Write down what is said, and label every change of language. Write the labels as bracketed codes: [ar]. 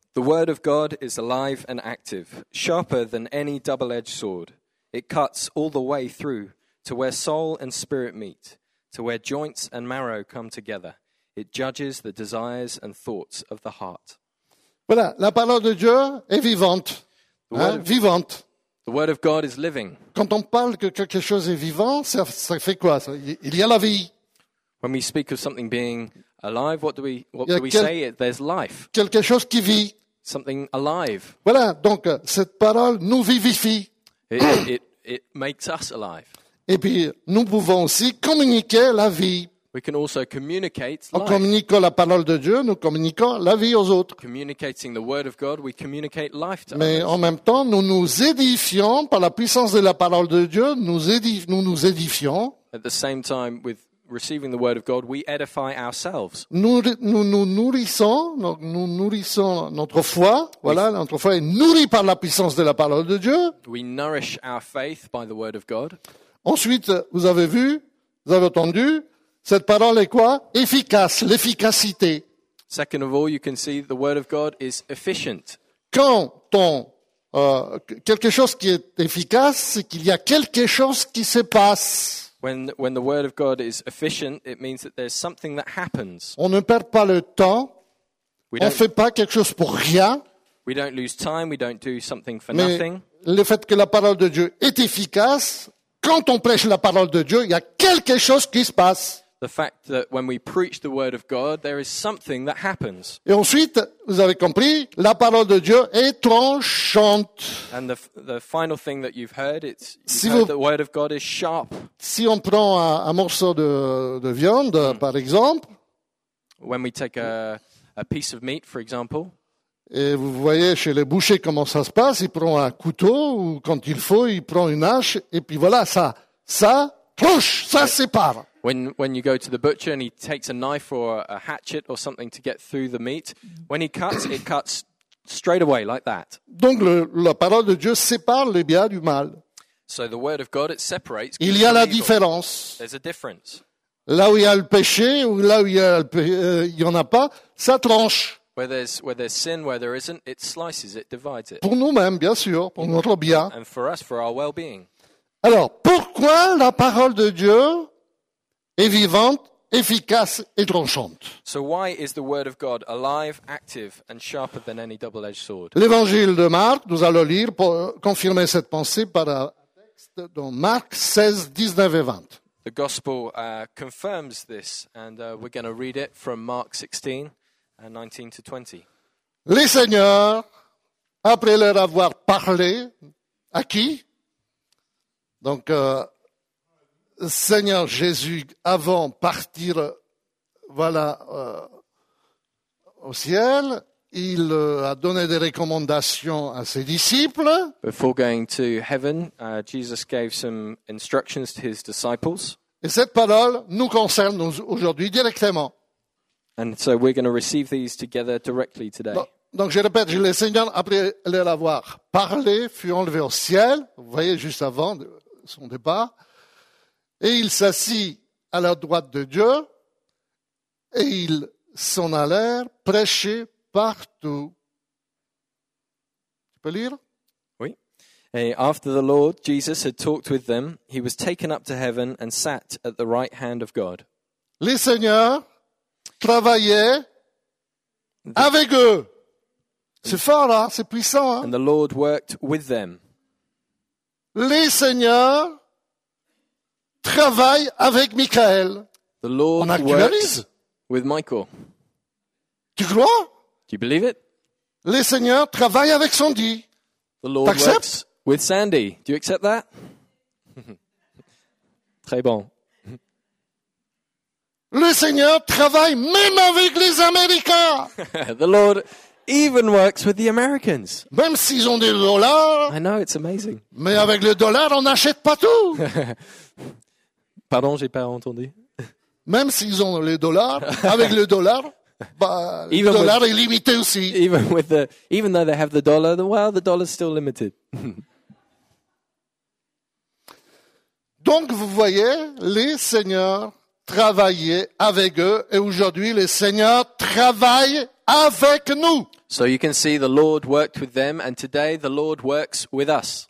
[en] The word of God is alive and active, sharper than any double-edged sword. It cuts all the way through to where soul and spirit meet, to where joints and marrow come together. It judges the desires and thoughts of the heart. [fr] Voilà, la parole de Dieu est vivante. Vivante. [en] The word of God is living. [fr] Quand on parle que quelque chose est vivant, ça fait quoi? Il y a la vie. [en] When we speak of something being alive, what do we say? There's life. [fr] Quelque chose qui vit. [en] something alive. [fr] Voilà, donc cette parole nous vivifie. [en] It makes us alive. [fr] Et puis nous pouvons aussi communiquer la vie. [en] We can also communicate [fr] life. En communiquant la parole de Dieu, nous communiquons la vie aux autres. [en] Communicating the word of God, we communicate life to [fr] Mais [en] others. [fr] En même temps, nous nous édifions par la puissance de la parole de Dieu, nous nous édifions. [en] At the same time with receiving the word of God, we edify ourselves. [fr] Nous nourrissons notre foi. Voilà, notre foi est nourrie par la puissance de la parole de Dieu. [en] We nourish our faith by the word of God. [fr] Ensuite, vous avez vu, vous avez entendu, cette parole est quoi? Efficace, l'efficacité. [en] Second of all, you can see the word of God is efficient. [fr] Quand on quelque chose qui est efficace, c'est qu'il y a quelque chose qui se passe. [en] When the word of God is efficient, it means that there's something that happens. [fr] On ne perd pas le temps. On fait pas quelque chose pour rien. [en] We don't lose time. We don't do something for [fr] Mais [en] nothing. [fr] Le fait que la parole de Dieu est efficace, quand on prêche la parole de Dieu, il y a quelque chose qui se passe. [en] The fact that when we preach the word of God, there is something that happens. [fr] Et ensuite, vous avez compris, la parole de Dieu est tranchante. [en] And the final thing that you've heard, it's you've si heard vous, the word of God is sharp. [fr] Si on prend un morceau de viande, par exemple. [en] When we take a piece of meat, for example. [fr] Et vous voyez chez les bouchers comment ça se passe, ils prennent un couteau ou quand il faut, ils prennent une hache et puis voilà, ça tranche, ça sépare. [en] When you go to the butcher and he takes a knife or a hatchet or something to get through the meat, when he cuts, it cuts straight away like that. [fr] Donc la parole de Dieu sépare le bien du mal. [en] So the word of God, it separates. [fr] Il y a la différence. [en] There's a difference. [fr] Là où il y a le péché ou là où il y en a pas, ça tranche. [en] Where there's sin, where there isn't, it slices, it divides it. [fr] Pour nous-mêmes, bien sûr, pour notre bien. [en] And for us, for our well-being. [fr] Alors, pourquoi la parole de Dieu est vivante, efficace et tranchante? [en] So why is the word of God alive, active and sharper than any double-edged sword? [fr] L'évangile de Marc, nous allons lire pour confirmer cette pensée par un texte dans Marc 16, 19 et 20. [en] The gospel confirms this and we're going to read it from Mark 16. 19 to 20. [fr] Le Seigneur, après leur avoir parlé, à qui? Donc, Seigneur Jésus, avant partir, voilà, au ciel, il a donné des recommandations à ses disciples. [en] Before going to heaven, Jesus gave some instructions to his disciples. [fr] Et cette parole nous concerne aujourd'hui directement. [en] And so we're going to receive these together directly today. [fr] Donc je répète, le Seigneur, après leur avoir parlé, fut enlevé au ciel, vous voyez, juste avant son départ, et il s'assit à la droite de Dieu, et ils s'en allèrent prêcher partout. Tu peux lire? Oui. [en] Et after the Lord Jesus had talked with them, he was taken up to heaven and sat at the right hand of God. [fr] Le Seigneur travaillait avec eux. C'est fort, hein? C'est puissant. Hein? [en] And the Lord worked with them. [fr] Le Seigneur travaille avec Michael. [en] The Lord [fr] On actualise. [en] With Michael. [fr] Tu crois? [en] Do you believe it? [fr] Le Seigneur travaille avec Sandy. [en] The Lord works with Sandy. Do you accept that? [fr] Très bon. Le Seigneur travaille même avec les Américains. [en] The Lord even works with the Americans. [fr] Même s'ils ont des dollars. [en] I know, it's amazing. [fr] Mais avec le dollar, on n'achète pas tout. Pardon, j'ai pas entendu. Même s'ils ont les dollars, avec le dollar, bah, le dollar est limité aussi. [en] Even though they have the dollar, well, the dollar is still limited. [fr] Donc, vous voyez, les Seigneurs travailler avec eux et aujourd'hui le Seigneur travaille avec nous. [en] So you can see the Lord worked with them and today the Lord works with us.